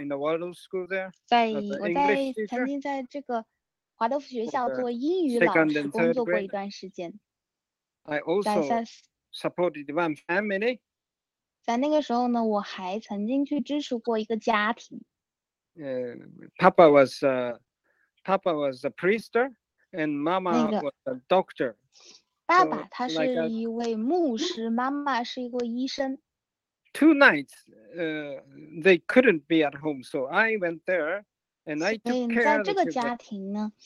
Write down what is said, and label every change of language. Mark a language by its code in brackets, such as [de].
[en] in the Waldorf School there. [zh] 我曾经在这个华德福学校做英语老师工作过一段时间。 [en] I also supported one family. [zh] 在那个时候呢，我还曾经去支持过一个家庭。 [en] Papa was a priest, and Mama was a doctor. [zh] 爸爸他是一位牧师，妈妈是一个医生。 [en] Two nights, they couldn't be at home, so I went there, and I took care of the children.